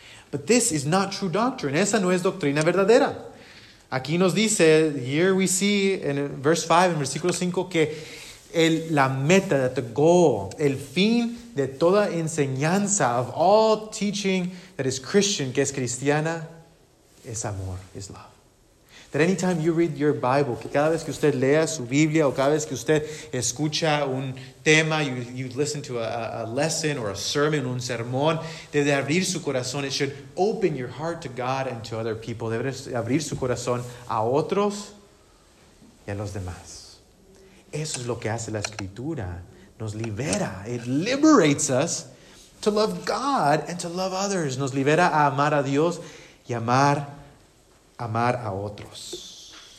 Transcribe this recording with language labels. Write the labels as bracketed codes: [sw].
[en] But this is not true doctrine. [es] Esa no es doctrina verdadera. Aquí nos dice, [en] here we see in verse 5, [es] en versículo 5, que la meta, [en] that the goal, [es] el fin de toda enseñanza, [en] of all teaching that is Christian, [es] que es cristiana, es amor, [en] is love. [es] That anytime you read your Bible, que cada vez que usted lea su Biblia o cada vez que usted escucha un tema, [en] you listen to a lesson or a sermon, [es] un sermón, debe abrir su corazón. [en] It should open your heart to God and to other people. [es] Debe abrir su corazón a otros y a los demás. Eso es lo que hace la Escritura. Nos libera. [en] It liberates us to love God and to love others. [es] Nos libera a amar a Dios y amar a otros.